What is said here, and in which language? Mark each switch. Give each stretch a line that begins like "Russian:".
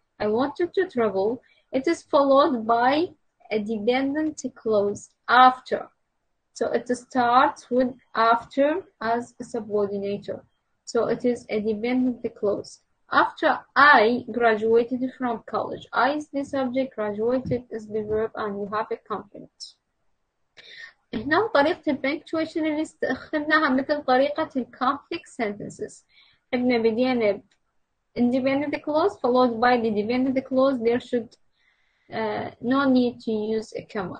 English: I wanted to travel. It is followed by a dependent clause after. So it starts with after as a subordinator. So it is a dependent clause. After I graduated from college, I is the subject, graduated is the verb, and you have a complement.
Arabic: هنا طريقة البنكتويشن اللي استخدمناها مثل طريقة الكونفليكت سنتنسز. احنا بدينا ب
English: independent clause followed by the dependent clause. There should no need to use a comma.